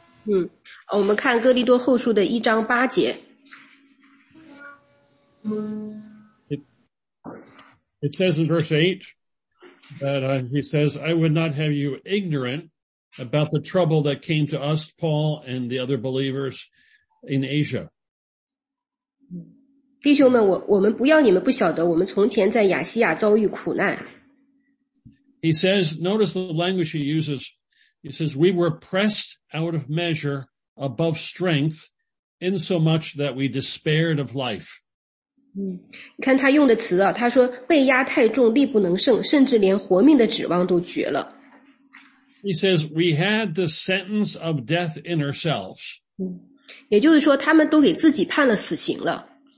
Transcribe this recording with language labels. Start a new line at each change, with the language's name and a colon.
Chinese: 嗯，我们看哥林多后书的一章八节。
English: It says in verse 8 that he says, I would not have you ignorant about the trouble that came to us, Paul, and the other believers in Asia.
Chinese: 弟兄们，我们不要你们不晓得，我们从前在亚细亚遭遇苦难。
English: He says, notice the language he uses. He says, we were pressed out of measure above strength, insomuch that we despaired of life.
Chinese: 嗯，你看他用的词啊，他说被压太重，力不能胜，甚至连活命的指望都绝了。
English: He says, we had the sentence of death in ourselves.
Chinese: 嗯，也就是说他们都给自己判了死刑了。